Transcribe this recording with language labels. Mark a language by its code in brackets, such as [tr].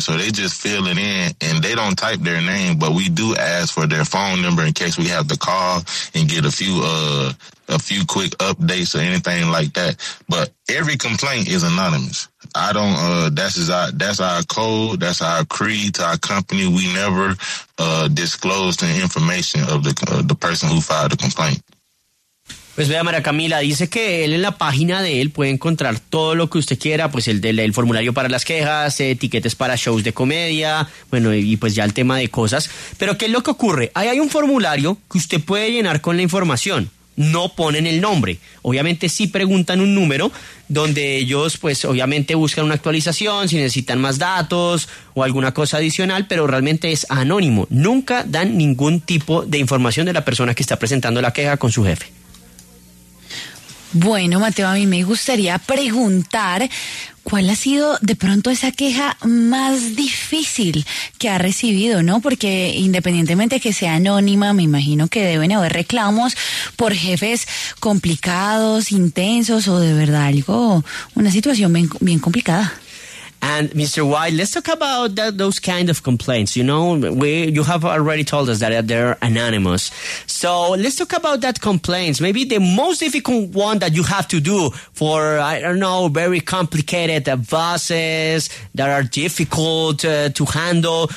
[en] So they just fill it in, and they don't type their name, but we do ask for their phone number in case we have to call and get a few quick updates or anything like that. But every complaint is anonymous. I don't, that's our code. That's our creed to our company. We never disclose the information of the person who filed the complaint. [es] Pues vea, María Camila, dice que él en la página de él puede encontrar todo lo que usted quiera, pues el formulario para las quejas, etiquetes para shows de comedia, bueno, y pues ya el tema de cosas. Pero ¿qué es lo que ocurre? Ahí hay un formulario que usted puede llenar con la información. no ponen el nombre. Obviamente sí preguntan un número donde ellos, pues, obviamente buscan una actualización, si necesitan más datos o alguna cosa adicional, pero realmente es anónimo. Nunca dan ningún tipo de información de la persona que está presentando la queja con su jefe. Bueno, Mateo, a mí me gustaría preguntar, ¿cuál ha sido de pronto esa queja más difícil que ha recibido, no? Porque independientemente que sea anónima, me imagino que deben haber reclamos por jefes complicados, intensos o de verdad algo, una situación bien, bien complicada. [en] And Mr. White, let's talk about that, those kind of complaints. You know, you have already told us that they're anonymous. So let's talk about that complaints. Maybe the most difficult one that you have to do for, I don't know, very complicated buses that are difficult to handle.